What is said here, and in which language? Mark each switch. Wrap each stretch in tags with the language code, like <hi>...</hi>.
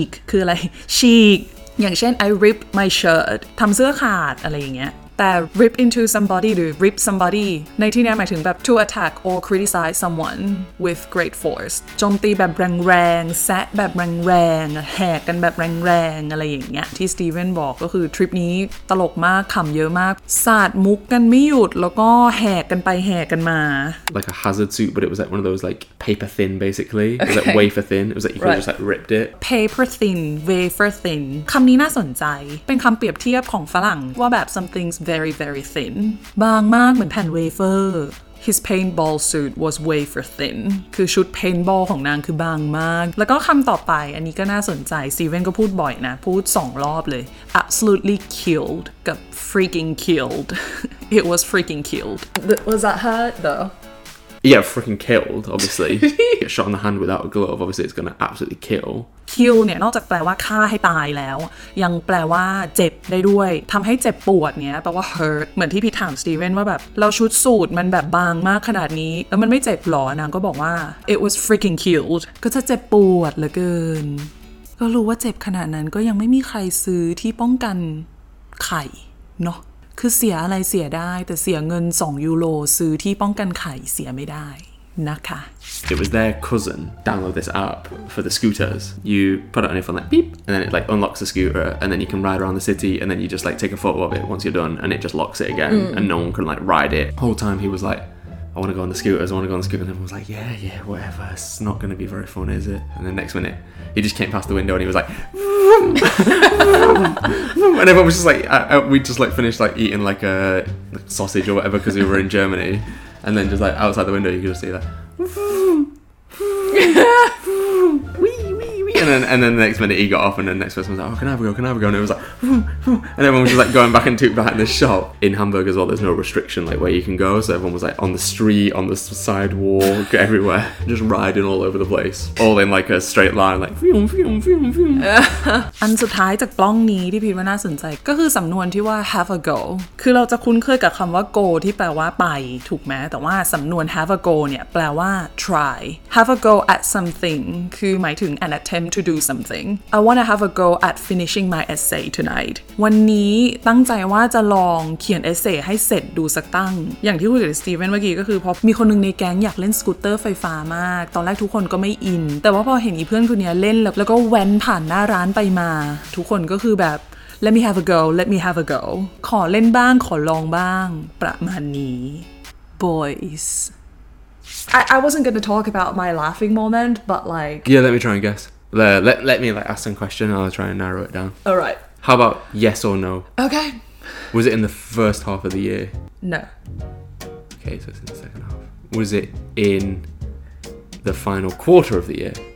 <th>คืออะไร chic อย่างเช่น</th> <en>I rip my shirt</en> <th>ทำเสื้อขาดอะไรอย่างเงี้ยแต่ rip into somebody หรือ rip somebody ในที่นี้หมายถึงแบบ</th> <en>to attack or criticize someone with great force</en> <th>โจมตีแบบแรงๆแซะแบบแรงๆแหกกันแบบแรงๆอะไรอย่างเงี้ยที่สตีเวนบอกก็คือทริปนี้ตลกมากขำเยอะมากสาดมุกกันไม่หยุดแล้วก็แหกกันไปแหกกันมา</th> <en>like a hazard suit but it was like one of those like paper thin basically it was like wafer thin it was like you could just like ripped it</en> <th>paper thin wafer thin คำนี้น่าสนใจเป็นคำเปรียบเทียบของฝรั่งว่าแบบ somethingvery very thin บางมากเหมือนแผ่นเวเฟอร์</th> <en>his paintball suit was wafer thin</en> <th>คือชุด paintball ของนางคือบางมากแล้วก็คำต่อไปอันนี้ก็น่าสนใจ Steven ก็พูดบ่อยนะพูด2รอบเลย absolutely killed กับ freaking killed</th> <en>it was freaking killed was that hurt though yeah freaking killed obviously get shot in the hand without a glove obviously it's gonna absolutely kill</en> <th>kill เนี่ยนอกจากแปลว่าฆ่าให้ตายแล้วยังแปลว่าเจ็บได้ด้วยทำให้เจ็บปวดเนี่ยแปลว่า hurt เหมือนที่พี่ถามสตีเวนว่าแบบเราชุดสูตรมันแบบบางมากขนาดนี้แล้วมันไม่เจ็บหรอนางก็บอกว่า</th> <en>it was freaking killed</en> <th>ก็จะเจ็บปวดเหลือเกินก็รู้ว่าเจ็บขนาดนั้นก็ยังไม่มีใครซื้อที่ป้องกันไข่เนาะคือเสียอะไรเสียได้แต่เสียเงิน2ยูโรซื้อที่ป้องกันไข่เสียไม่ได้</th> <en>It was their cousin download this app for the scooters. You put it on your phone like beep, and then it like unlocks the scooter, and then you can ride around the city, and then you just like take a photo of it once you're done, and it just locks it again, and no one can like ride it. Whole time he was like, I want to go on the scooters, I want to go on the scooter, and everyone was like, yeah, yeah, whatever. It's not going to be very fun, is it? And then next minute, he just came past the window, and he was like, vroom, vroom, vroom. And everyone was just like, we just like finished like eating like a sausage or whatever because we were in Germany. And then just like outside the window, you could just see that. Wee, wee, wee. And then the next minute, he got off, and then the next person was like, oh, can I have a go? And it was like, and everyone was just like going back and took back in the shop. In Hamburg as well, there's no restriction like where you can go. So everyone was like on the street, on the sidewalk, everywhere, just riding all over the place, all in like a straight line, like, vroom, vroom, vroom, vroom.</en> <th>And สุดท้ายจากกล้องนี้ที่พี่ว่าน่าสนใจก็คือสำนวนที่ว่า have a go. คือเราจะคุ้นเคยกับคำว่า go ที่แปลว่าไปถูกไหมแต่ว่าสำนวน have a go เนี่ยแปลว่า try.</th> <en>Have a go at something คือหมายถึง an attempt. To do something, I want to have a go at finishing my essay tonight.</en> <th>วันนี้ตั้งใจว่าจะลองเขียนเอเซ่ให้เสร็จดูสักตั้งอย่างที่คุยกับสตีเวนเมื่อกี้ก็คือพอมีคนนึงในแก๊งอยากเล่นสกูตเตอร์ไฟฟ้ามากตอนแรกทุกคนก็ไม่อินแต่ว่าพอเห็นอีเพื่อนคนนี้เล่นแล้วก็แว้นผ่านหน้าร้านไปมาทุกคนก็คือแบบ</th> <en>let me have a go</en> <th>ขอเล่นบ้างขอลองบ้างประมาณนี้ boys</th> <en>I wasn't going to talk about my laughing moment but like yeah let me try and guessLet me like ask some question and I'll try and narrow it down. All right. How about yes or no? Okay. Was it in the first half of the year? No. Okay, so it's in the second half. Was it in the final quarter of the year?</en>